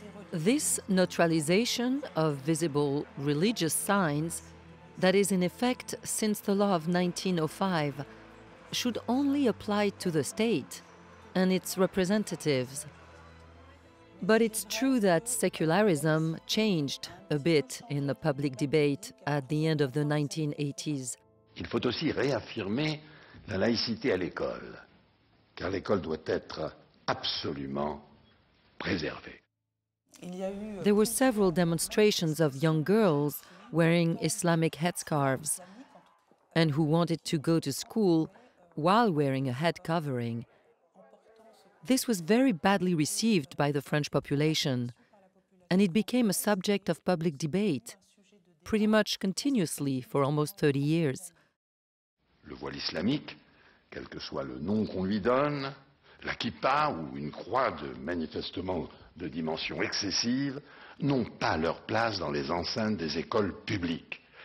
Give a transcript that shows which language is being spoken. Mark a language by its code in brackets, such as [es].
[en] This neutralization of visible religious signs that is in effect since the law of 1905 should only apply to the state and its representatives. But it's true that secularism changed a bit in the public debate at the end of the 1980s. [fr] Il faut aussi réaffirmer la laïcité à l'école, car l'école doit être absolument préservée. [en] There were several demonstrations of young girls wearing Islamic headscarves and who wanted to go to school while wearing a head covering. This was very badly received by the French population, and it became a subject of public debate pretty much continuously for almost 30 years. [fr] Le voile islamique, quel que soit le nom qu'on lui donne, la kippa ou une croix de manifestement de dimension excessive, n'ont pas leur place dans les enceintes des écoles publiques.